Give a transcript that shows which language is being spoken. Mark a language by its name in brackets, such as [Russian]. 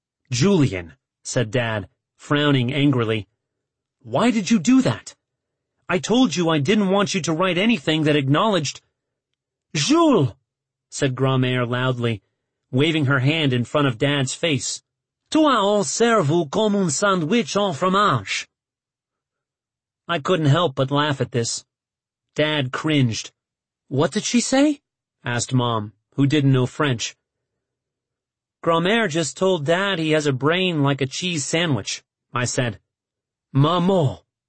[English] Julien, said Dad, frowning angrily. Why did you do that? I told you I didn't want you to write anything that acknowledged... Jules, said Grommaire loudly, waving her hand in front of Dad's face. [French] Toi en cerveau comme un sandwich en fromage. [English] I couldn't help but laugh at this. Dad cringed. What did she say? Asked Mom, who didn't know French. Grommaire just told Dad he has a brain like a cheese sandwich, I said. [French] Maman,